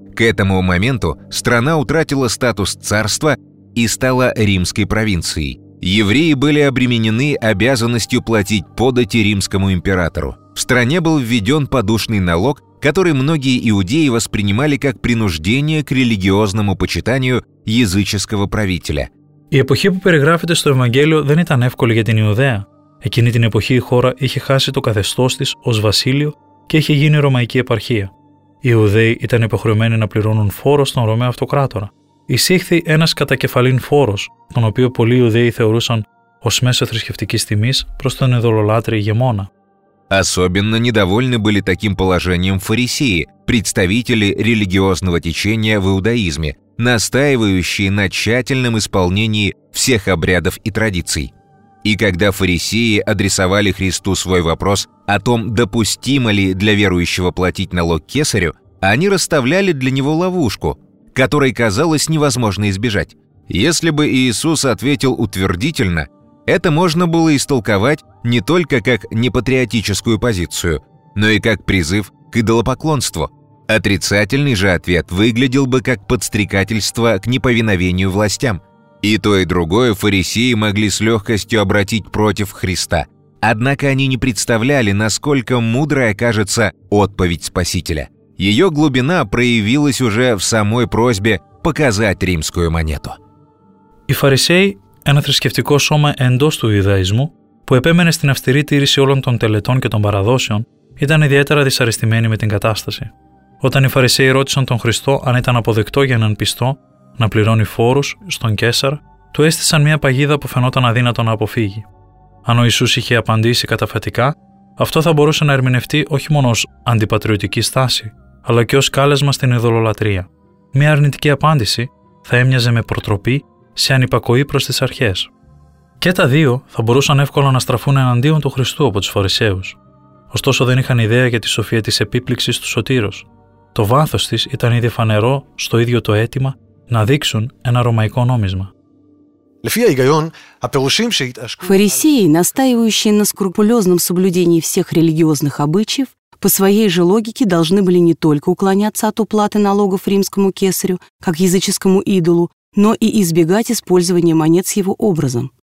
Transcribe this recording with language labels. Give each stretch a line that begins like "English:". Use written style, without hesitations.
Russian: К этому моменту страна утратила статус царства и стала римской провинцией. Евреи были обременены обязанностью платить подати римскому императору. В стране был введен подушный налог, который многие иудеи воспринимали как принуждение к религиозному почитанию языческого правителя.
Greek: Η
Russian: эпохи,
Greek: που περιγράφεται στο Ευαγγέλιο, δεν ήταν εύκολη για την Ιουδαία. Εκείνη την εποχή η χώρα είχε χάσει το καθεστώς της ως βασίλειο και είχε γίνει ρωμαϊκή επαρχία. Οι Ιουδαίοι ήταν υποχρεωμένοι να πληρώνουν φόρο στον Ρωμαίο αυτοκράτορα. Εισήχθη ένας κατακεφαλήν φόρος, τον οποίο πολλοί Ιουδαίοι θεωρούσαν ως μέσο θρησκευτικής τιμής προς τον ειδωλολάτρη ηγεμόνα.
Russian: Особенно недовольны были таким положением фарисеи, представители религиозного течения в иудаизме, настаивающие на тщательном исполнении всех обрядов и традиций. И когда фарисеи адресовали Христу свой вопрос о том, допустимо ли для верующего платить налог кесарю, они расставляли для него ловушку, которой казалось невозможно избежать. Если бы Иисус ответил утвердительно, это можно было истолковать не только как непатриотическую позицию, но и как призыв к идолопоклонству. Отрицательный же ответ выглядел бы как подстрекательство к неповиновению властям. И то, и другое фарисеи могли с легкостью обратить против Христа. Однако они не представляли, насколько мудрой окажется отповедь Спасителя. Ее глубина проявилась уже в самой просьбе показать римскую монету.
Greek: Οι Φαρισαίοι, ένα θρησκευτικό σώμα εντός του Ιουδαϊσμού, που επέμενε στην αυστηρή τήρηση όλων των τελετών και των παραδόσεων, ήταν ιδιαίτερα δυσαρεστημένοι με την κατάσταση. Όταν οι Φαρισαίοι ρώτησαν τον Χριστό αν ήταν αποδεκτό για έναν πιστό να πληρώνει φόρους στον Κέσσαρ, του έστησαν μια παγίδα που φαινόταν αδύνατο να αποφύγει. Αν ο Ιησούς είχε απαντήσει καταφατικά, αυτό θα μπορούσε να ερμηνευτεί όχι μόνο ως αντιπατριωτική στάση, αλλά και ως κάλεσμα στην ειδωλολατρεία. Μια αρνητική απάντηση θα έμοιαζε με προτροπή σε ανυπακοή προς τις αρχές. Και τα δύο θα μπορούσαν εύκολα να στραφούν εναντίον του Χριστού από τους Φαρισαίους. Ωστόσο δεν είχαν ιδέα για τη σοφία της επίπληξης του Σωτήρος. Το βάθος της ήταν ήδη φανερό στο ίδιο το αίτημα να δείξουν ένα ρωμαϊκό νόμισμα.
Russian: Фарисеи, настаивающие на скрупулезном соблюдении всех религиозных обычаев, по своей же логике должны были не только уклоняться от уплаты налогов римскому кесарю, как языческому идолу, но и избегать использования монет с его образом.